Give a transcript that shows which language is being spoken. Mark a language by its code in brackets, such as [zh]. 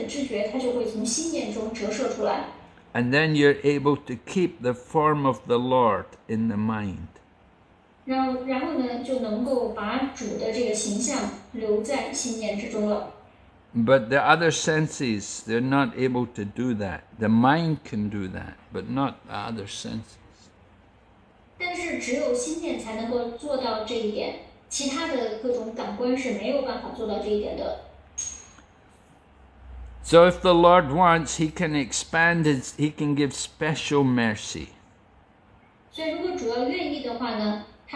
[en] Okay, [zh] 就是当这个知觉它变得纯净的时候，那么这个纯净的知觉它就会从心念中折射出来。 [en] And then you're able to keep the form of the Lord in the mind. [zh] 然后呢，就能够把主的这个形象留在心念之中了。 [en] But the other senses, they're not able to do that. The mind can do that, but not the other senses. [zh] 但是只有心念才能够做到这一点，其他的各种感官是没有办法做到这一点的。 [en] So if the Lord wants, He can expand His, He can give special mercy. [zh] 所以如果主要愿意的话呢？